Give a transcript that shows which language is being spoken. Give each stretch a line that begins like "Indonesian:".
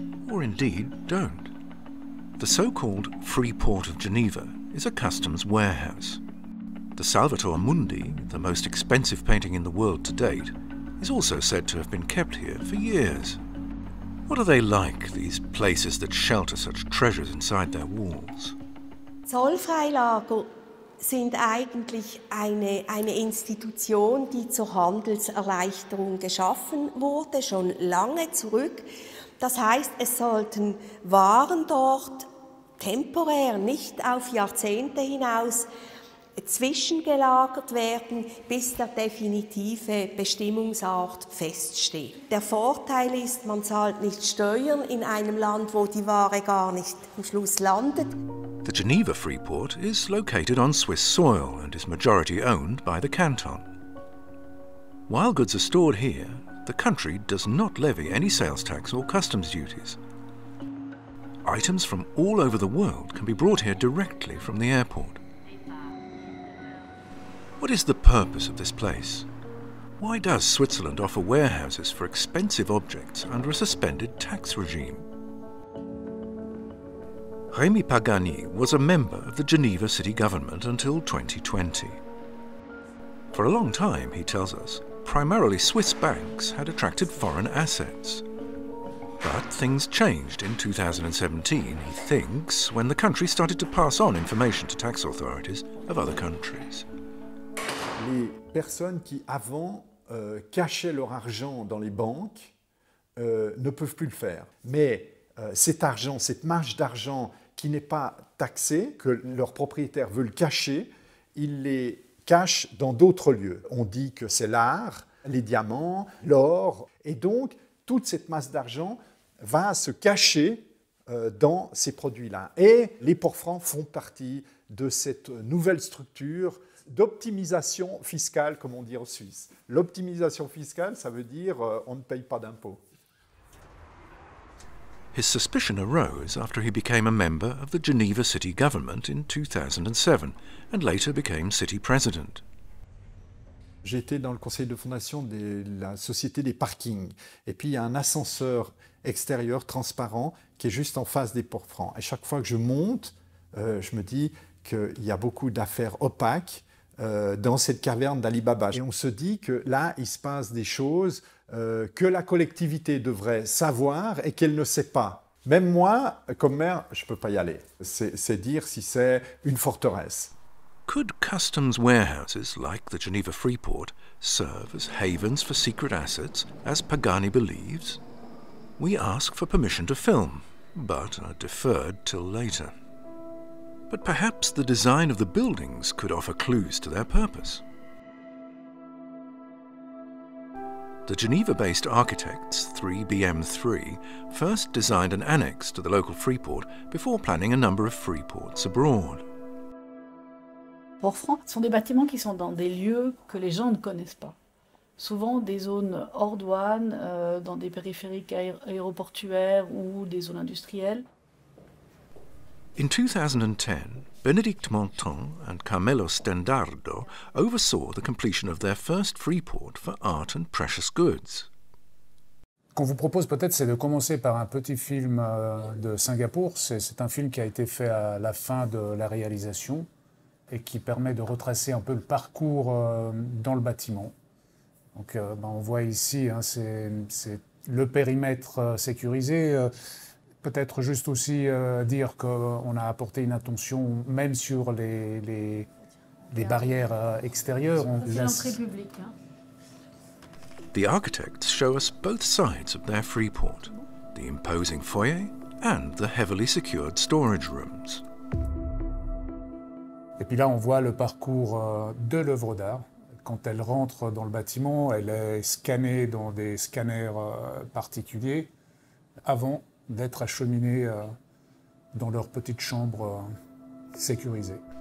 English: or indeed don't. The so-called Freeport of Geneva is a customs warehouse. The Salvator Mundi, the most expensive painting in the world to date, is also said to have been kept here for years. What are they like, these places that shelter such treasures inside their walls?
German: Zollfreilager sind eigentlich eine Institution, die zur Handelserleichterung geschaffen wurde, schon lange zurück. Das heißt, es sollten Waren dort temporär, nicht auf Jahrzehnte hinaus, zwischengelagert werden, bis der definitive Bestimmungsort feststeht. Der Vorteil ist, man zahlt nicht Steuern in einem Land, wo die Ware gar nicht am Schluss landet.
English: The Geneva Freeport is located on Swiss soil and is majority owned by the canton. While goods are stored here, the country does not levy any sales tax or customs duties. Items from all over the world can be brought here directly from the airport. What is the purpose of this place? Why does Switzerland offer warehouses for expensive objects under a suspended tax regime? Rémi Pagani was a member of the Geneva city government until 2020. For a long time, he tells us, primarily Swiss banks had attracted foreign assets. But things changed in 2017, he thinks, when the country started to pass on information to tax authorities of other countries.
French: Les personnes qui avant cachaient leur argent dans les banques ne peuvent plus le faire. Mais cet argent, cette marge d'argent qui n'est pas taxée, que leurs propriétaires veulent cacher, ils les cachent dans d'autres lieux. On dit que c'est l'art, les diamants, l'or. Et donc, toute cette masse d'argent va se cacher dans ces produits-là. Et les pourfrancs font partie de cette nouvelle structure d'optimisation fiscale, comme on dit en Suisse. L'optimisation fiscale, ça veut dire on ne paye pas d'impôts.
English: His suspicion arose after he became a member of the Geneva city government in 2007 and later became city president.
French: J'étais dans le conseil de fondation de la société des parkings. Et puis il y a un ascenseur extérieur transparent qui est juste en face des pourfrancs. Et chaque fois que je monte, je me dis qu'il y a beaucoup d'affaires opaques dans cette caverne d'Ali Baba. Et on se dit que là, il se passe des choses que la collectivité devrait savoir et qu'elle ne sait pas. Même moi, comme maire, je ne peux pas y aller. C'est dire si c'est une forteresse.
English: Could customs warehouses like the Geneva Freeport serve as havens for secret assets, as Pagani believes? We ask for permission to film, but are deferred till later. But perhaps the design of the buildings could offer clues to their purpose. The Geneva-based architects, 3BM3, first designed an annex to the local Freeport before planning a number of Freeports abroad.
French: Pourfrancs sont des bâtiments qui sont dans des lieux que les gens ne connaissent pas. Souvent des zones hors douane, dans des périphériques aéroportuaires ou des zones industrielles.
English: In 2010, Bénédicte Montand and Carmelo Stendardo oversaw the completion of their first freeport for art and precious goods.
French: Ce qu'on vous propose peut-être, c'est de commencer par un petit film de Singapour. C'est un film qui a été fait à la fin de la réalisation et qui permet de retracer un peu le parcours dans le bâtiment. Donc on voit ici, hein, c'est le périmètre sécurisé. Peut-être juste aussi dire qu'on a apporté une attention même sur les barrières extérieures. C'est l'entrée publique. Hein.
English: The architects show us both sides of their freeport, the imposing foyer and the heavily secured storage rooms.
French: Et puis là, on voit le parcours de l'œuvre d'art. Quand elle rentre dans le bâtiment, elle est scannée dans des scanners particuliers avant d'être acheminée dans leur petite chambre sécurisée.